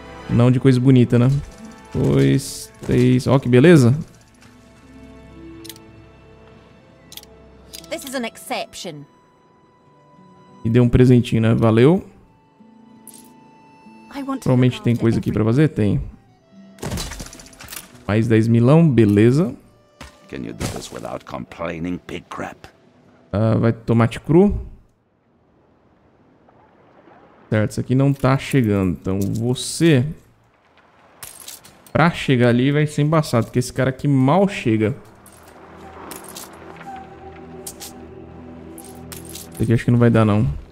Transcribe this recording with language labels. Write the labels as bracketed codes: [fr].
[pt] Não de coisa bonita, né? 2, 3... Ó, que beleza. [en] This is an exception. [pt] E deu um presentinho, né? Valeu. Provavelmente tem coisa aqui pra fazer? Tem. Mais 10 milão, beleza. [en] Can you do this without complaining, pig crap? [pt] Vai tomate cru. Certo, isso aqui não tá chegando. Então você... Pra chegar ali vai ser embaçado, porque esse cara aqui mal chega. Isso aqui acho que não vai dar, não.